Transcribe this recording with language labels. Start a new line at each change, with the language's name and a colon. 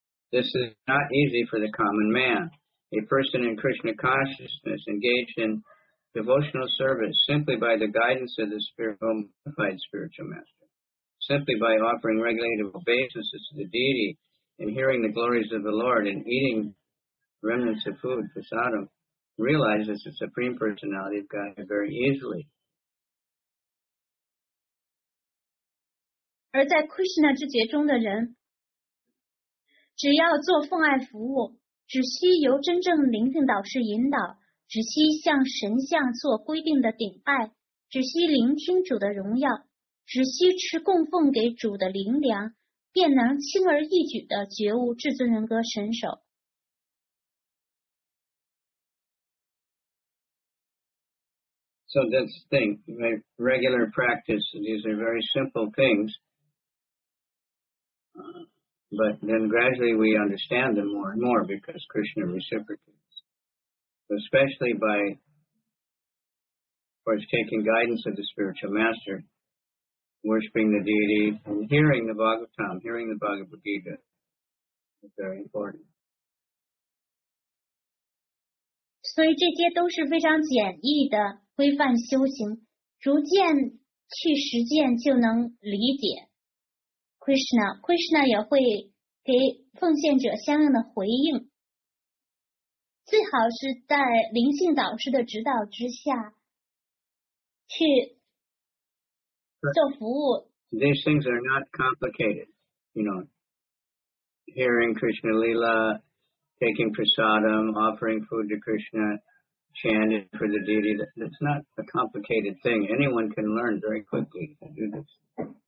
English: This is not easy for the common man. A person in Krishna consciousness engaged in devotional service simply by the guidance of the spiritual, modified spiritual master, simply by offering regulative obeisances to the deity and hearing the glories of the Lord and eating remnants of food, prasadam, realizes the Supreme Personality of Godhead very easily.
Chinese: 而在 Krishna 之觉中的人，只要做奉爱服务，只需由真正灵性导师引导，只需向神像做规定的顶拜，只需聆听主的荣耀，只需持供奉给主的灵粮，便能轻而易举地觉悟至尊人格神手。
English: So that's the thing, regular practice, these are very simple things, but then gradually we understand them more and more because Krishna reciprocates. Especially by, of course, taking guidance of the spiritual master, worshiping the deity and hearing the Bhagavatam, hearing the Bhagavad Gita is very important.
Chinese: 所以这些都是非常简易的规范修行，逐渐去实践就能理解。Krishna, Krishna 也会给奉献者相应的回应，最好是在灵性导师的指导之下去做服务。
English: These things are not complicated, you know, hearing Krishna Lila, taking prasadam, offering food to Krishna, chanting for the deity, that's not a complicated thing. Anyone can learn very quickly to do this.